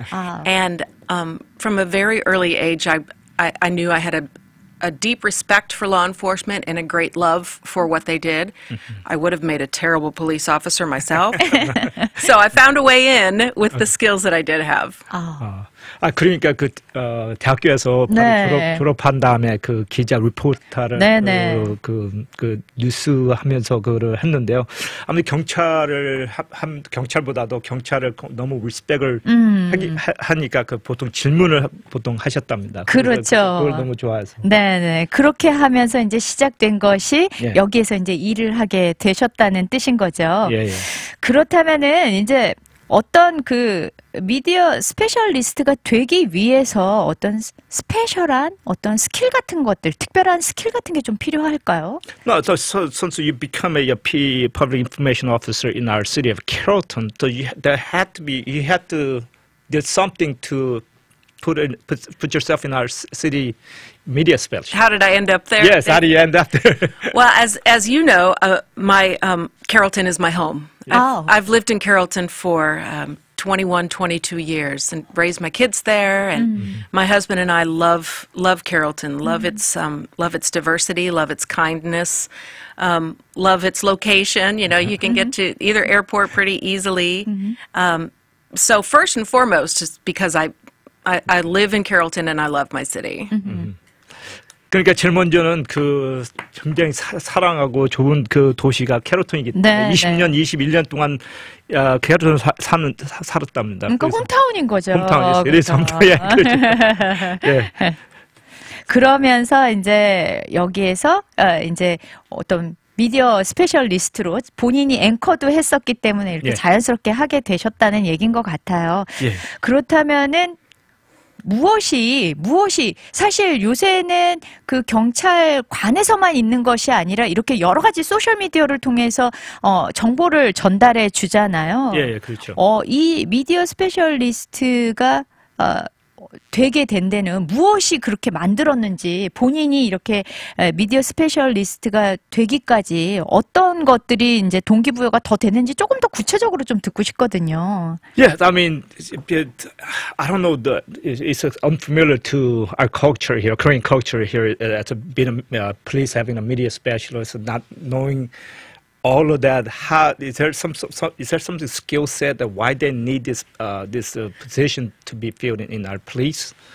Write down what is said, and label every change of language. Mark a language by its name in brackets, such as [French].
[English] And from a very early age, I knew I had a deep respect for law enforcement and a great love for what they did. Mm-hmm. I would have made a terrible police officer myself. So I found a way in with the skills that I did have. Oh. [Korean] 아, 그러니까 그 대학교에서 바로 졸업한 다음에 그 기자 리포터를 네. 그 뉴스 하면서 그거를 했는데요. 아무리 경찰을 경찰보다도 경찰을 너무 리스펙을 하니까 그 보통 질문을 보통 하셨답니다. 그걸 그렇죠. 너무 좋아해서. 네. 그렇게 하면서 이제 시작된 것이 예. 여기에서 이제 일을 하게 되셨다는 뜻인 거죠. 예. 그렇다면은 이제 어떤 그 미디어 스페셜리스트가 되기 위해서 어떤 스페셜한 어떤 스킬 같은 것들, 특별한 스킬 같은 게좀 필요할까요? [English] No, since you become a P public information officer in our city of Carrollton, so you had to do something to put yourself in our city media How special. did I end up there? Yes, how do you end up there? Well, as you know, Carrollton is my home. Oh. I've lived in Carrollton for 21, 22 years and raised my kids there. And my husband and I love Carrollton, love its diversity, love its kindness, love its location. You know, you can get to either airport pretty easily. So first and foremost, just because I live in Carrollton and I love my city. [Korean] 그러니까 제일 먼저는 그 굉장히 사랑하고 좋은 그 도시가 캐로톤이기 때문에 네. 20년, 21년 동안 캐로톤 살았답니다. 그러니까 그래서 홈타운인 거죠. 홈타운이었어요. 이래서 그렇죠. 홈타운이야, 그죠? 예. 그러면서 이제 여기에서 이제 어떤 미디어 스페셜리스트로 본인이 앵커도 했었기 때문에 이렇게 자연스럽게 하게 되셨다는 얘기인 것 같아요. 예. 그렇다면은 무엇이 사실 요새는 그 경찰관에서만 있는 것이 아니라 이렇게 여러 가지 소셜 미디어를 통해서 정보를 전달해 주잖아요. 예, 그렇죠. 이 미디어 스페셜리스트가 되게 된 데는 무엇이 그렇게 만들었는지 본인이 이렇게 미디어 스페셜리스트가 되기까지 어떤 것들이 이제 동기부여가 더 되는지 조금 더 구체적으로 좀 듣고 싶거든요. [English] Yes, I mean, I don't know. It's unfamiliar to our culture here, Korean culture here. As being a police, having a media specialist, not knowing all of that, is there something skill set that why they need this position to be filled in our police?